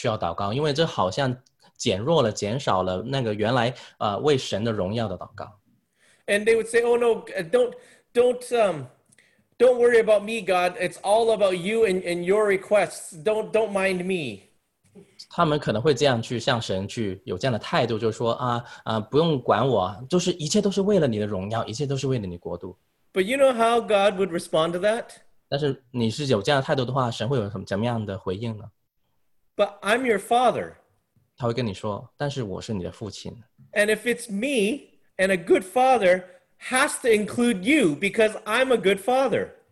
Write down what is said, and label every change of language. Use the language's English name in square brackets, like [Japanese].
[Chinese] 有些人可能会想，我不可以去为自己很个人的需要祷告，因为这好像 减弱了，减少了那个原来为神的荣耀的祷告。 [English] And they would say, "Oh no, don't worry about me, God. It's all about you and your requests. Don't mind me." [Chinese] 他们可能会这样去向神去有这样的态度，就是说不用管我，就是一切都是为了你的荣耀，一切都是为了你国度。 [English] But you know how God would respond to that? [Chinese] 但是你是有这样的态度的话，神会有什么怎么样的回应呢？ [English] But I'm your father. [Chinese] 他会跟你说，但是我是你的父亲。 [English] And if it's me, and a good father has to include you because I'm a good father.